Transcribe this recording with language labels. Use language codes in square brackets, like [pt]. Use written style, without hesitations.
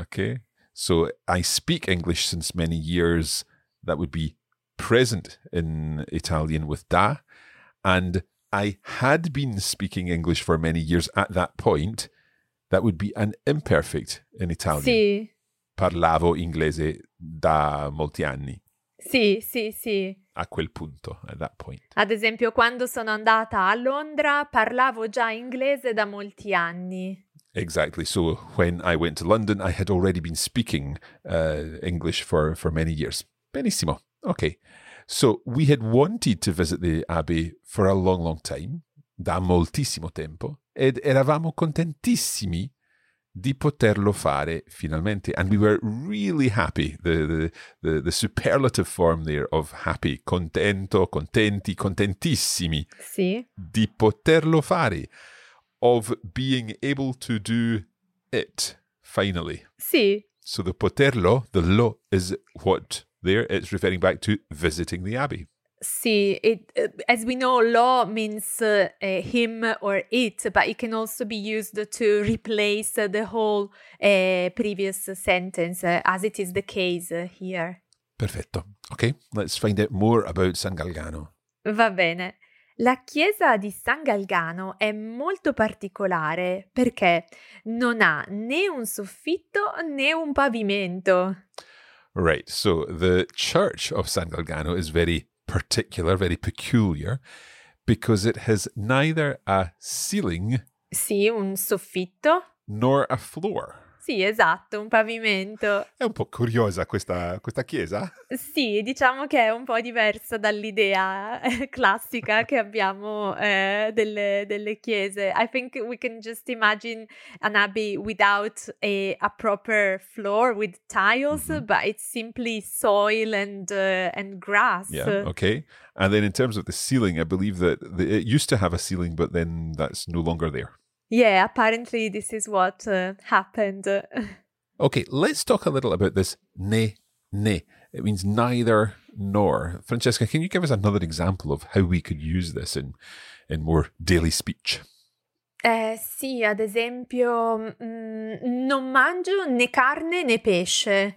[en] Okay. So I speak English since many years, that would be present in Italian with da, and I had been speaking English for many years at that point, that would be an imperfect in Italian. [it] Sì. Parlavo inglese da molti anni. Sì. A quel punto, [en] at that point. [it] Ad esempio, quando sono andata a Londra, parlavo già inglese da molti anni. [en] Exactly. So when I went to London, I had already been speaking English for many years. Benissimo. Okay. So we had wanted to visit the Abbey for a long, long time, [it] da moltissimo tempo, ed eravamo contentissimi di poterlo fare finalmente. [en] And we were really happy, the superlative form there of happy, contento, contenti, contentissimi. [it] Sì. Di poterlo fare, [en] of being able to do it, finally. [it] Sì. [en] So the poterlo, the lo, is what there, it's referring back to visiting the Abbey. Sì, it, as we know, lo means him or it, but it can also be used to replace the whole previous sentence, as it is the case here. Perfetto. Okay, let's find out more about San Galgano. [it] Va bene. La chiesa di San Galgano è molto particolare perché non ha né un soffitto né un pavimento. [en] Right, so the church of San Galgano is very particular, very peculiar, because it has neither a ceiling. [it] Sì, un soffitto. [en] Nor a floor. [it] Sì, esatto, un pavimento. È un po' curiosa questa chiesa. Sì, diciamo che è un po' diversa dall'idea classica che abbiamo delle chiese. [en] I think we can just imagine an abbey without a proper floor with tiles, mm-hmm. but it's simply soil and grass. Yeah, okay. And then in terms of the ceiling, I believe that it used to have a ceiling, but then that's no longer there. Yeah, apparently this is what happened. Okay, let's talk a little about this né. It means neither nor. Francesca, can you give us another example of how we could use this in more daily speech? [it] Sì, ad esempio, non mangio né carne né pesce.